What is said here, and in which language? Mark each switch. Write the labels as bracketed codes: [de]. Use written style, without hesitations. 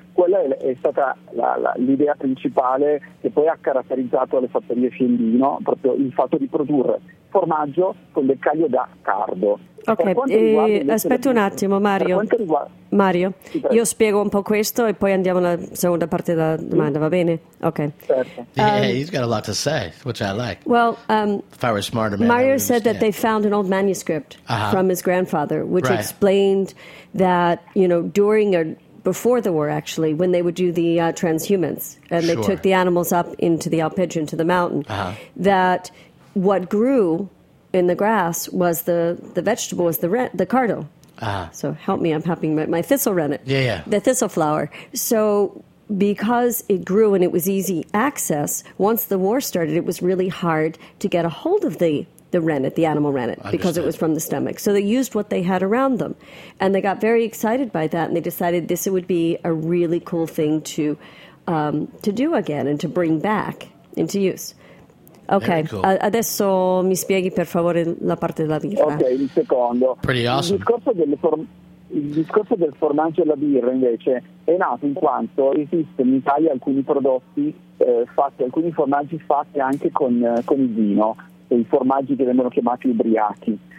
[it] Quella è stata l'idea principale che poi ha caratterizzato le fattorie Fiendino, proprio il fatto di produrre formaggio con del caglio da cardo. Ok, aspetta un attimo Mario, Mario, io spiego un po' questo e poi andiamo alla seconda parte della domanda, va bene? Ok. Certo. [en] Yeah, he's got a lot to say, which I like. Well, if I were a smarter man, Mario said that they found an old manuscript from his grandfather, which explained that, you know, during or before the war, actually, when they would do the transhumance and they took the animals up into the alpeggio, into the mountain, that what grew in the grass was the vegetable, was the cardo. So help me, I'm having my thistle rennet. Yeah, yeah. The thistle flower. So because it grew and it was easy access, once the war started, it was really hard to get a hold of the rennet, the animal rennet, understood, because it was from the stomach. So they used what they had around them. And they got very excited by that, and they decided this would be a really cool thing to do again and to bring back into use. [it] Ok, adesso mi spieghi per favore la parte della birra. Ok, il secondo. [en] Pretty awesome. [it] Il discorso del formaggio e la birra invece è nato in quanto esiste in Italia alcuni prodotti fatti, alcuni formaggi fatti anche con il vino, i formaggi che vengono chiamati ubriachi.